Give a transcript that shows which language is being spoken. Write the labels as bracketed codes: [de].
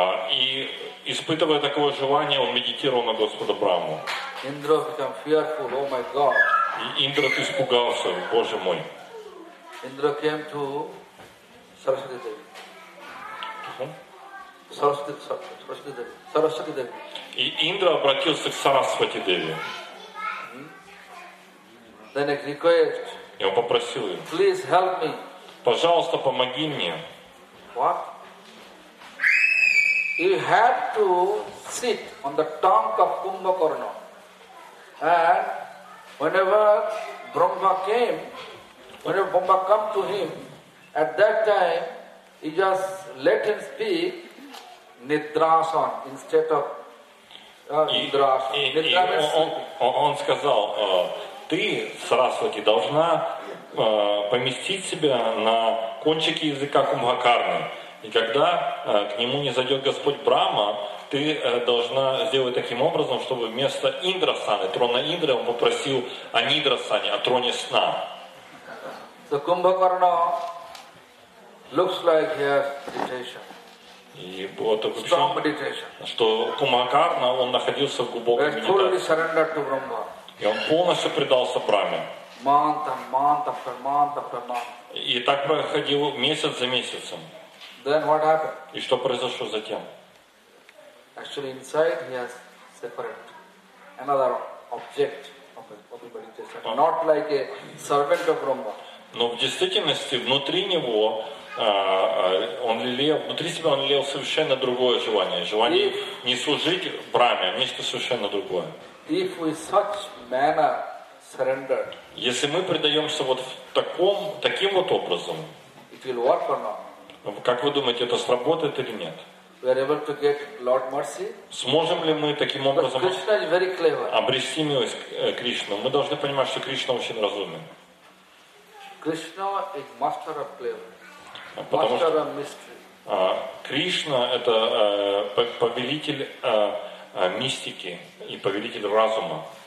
[ru] И испытывая такое желание, он медитировал на Господа Брахму. [en] Indra became fearful, oh my God. [ru] Индра испугался, Боже мой. [en] Indra came to Saraswati Devi. Saraswati Devi. [ru] И Индра обратился к Сарасвати Деви. [en] Then he requested. [ru] И он попросил ее. [en] Please help me. [ru] Пожалуйста, помоги мне. [en] What? You have to sit on the trunk of Kumbhakarna. And whenever Brahma came, whenever Brahma come to him, at that time, he just let him speak Nidrasan instead of Nidrasan. [ru] Он сказал, ты, Сарасвати, должна поместить себя на кончике языка Кумбхакарны. И когда к нему не зайдет Господь Брахма, ты должна сделать таким образом, чтобы вместо Индрасаны, трона Индры, он попросил о Нидрасане, о троне сна. [en] So, Kumbhakarna looks like he has meditation. [ru] И было такое впечатление, что Кумбхакарна, он находился в глубокой медитации. [en] Totally surrendered to Brahma. [ru] И он полностью предался Брахме. [en] Month after month after month after month. [ru] И так проходило месяц за месяцем. [en] Then what happened? [ru] И что произошло затем? [en] Actually, inside he has separate another object of meditation, not like a servant of Brahma. [ru] Но в действительности внутри него он лелеял, внутри себя он лелеял совершенно другое желание, желание if, не служить Брахме, а нечто совершенно другое. [en] If we such manner surrender. [ru] Если мы предаемся вот таким вот образом, [en] it will work or not? [ru] Как вы думаете, это сработает или нет? [en] We are able to get Lord mercy? [ru] Сможем ли мы таким образом [en] Krishna is very clever. [ru] Обрести милость Кришну? Мы должны понимать, что Кришна очень разумен. [en] Krishna is master of clever, master of mystery. [ru] Кришна – это повелитель мистики и повелитель разума.